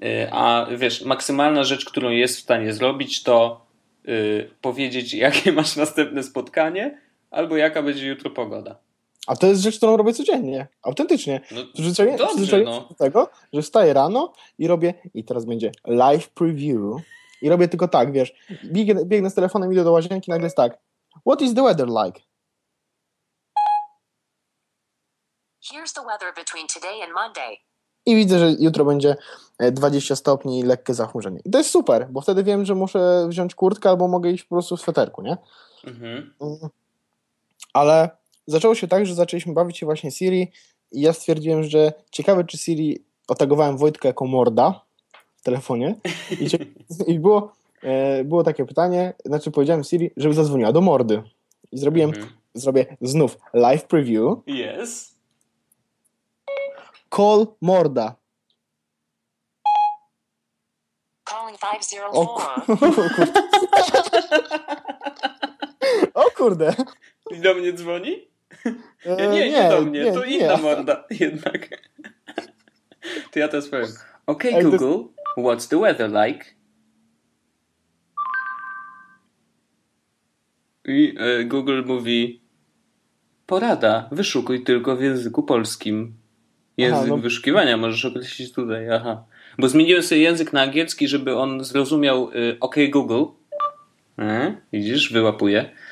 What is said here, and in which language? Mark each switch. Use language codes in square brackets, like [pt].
[pl] A wiesz, maksymalna rzecz, którą jest w stanie zrobić, to powiedzieć, jakie masz następne spotkanie. Albo jaka będzie jutro pogoda. A to jest rzecz, którą robię codziennie. Autentycznie. Dobrze, no. Z tego, że wstaję rano i robię, i teraz będzie live preview, i robię tylko tak, wiesz, biegnę z telefonem, idę do łazienki, nagle jest tak. [en] What is the weather like? Here's the weather between today and Monday. [pl] I widzę, że jutro będzie 20 stopni i lekkie zachmurzenie. I to jest super, bo wtedy wiem, że muszę wziąć kurtkę albo mogę iść po prostu w sweterku, nie? Mhm. Ale zaczęło się tak, że zaczęliśmy bawić się właśnie Siri i ja stwierdziłem, że ciekawe, czy Siri otagowałem Wojtka jako morda w telefonie i było takie pytanie, znaczy powiedziałem Siri, żeby zadzwoniła do mordy i zrobiłem, zrobię znów live preview. [en] Yes. Call morda. Calling [pl] 504. O kurde. O kurde. I do mnie dzwoni? Nie, do mnie. Inna morda jednak. To ja teraz powiem. [en] Okej, okay, Google, what's the weather like? [pl] I Google mówi, porada, wyszukuj tylko w języku polskim. Język wyszukiwania możesz określić tutaj, aha. Bo zmieniłem sobie język na angielski, żeby on zrozumiał, okej, okay, Google. Widzisz, wyłapuje.